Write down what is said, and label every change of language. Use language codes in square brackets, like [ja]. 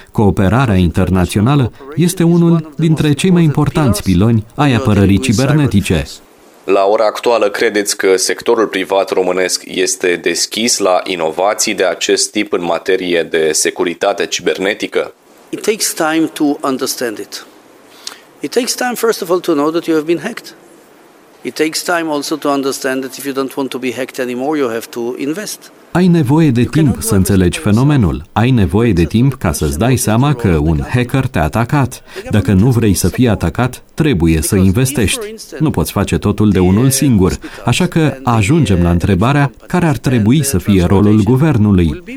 [ro] Cooperarea internațională este unul dintre cei mai importanți piloni ai apărării cibernetice. La ora actuală, credeți că sectorul privat românesc este deschis la inovații de acest tip în materie de securitate cibernetică? [en] It takes time to understand it. It takes time, first of all, to know that you have been hacked. It takes time also to understand that if you don't want to be hacked anymore, you have to invest. [ro] Ai nevoie de timp să înțelegi fenomenul. Ai nevoie de timp ca să-ți dai seama că un hacker te-a atacat. Dacă nu vrei să fii atacat, trebuie să investești. Nu poți face totul de unul singur. Așa că ajungem la întrebarea care ar trebui să fie rolul guvernului.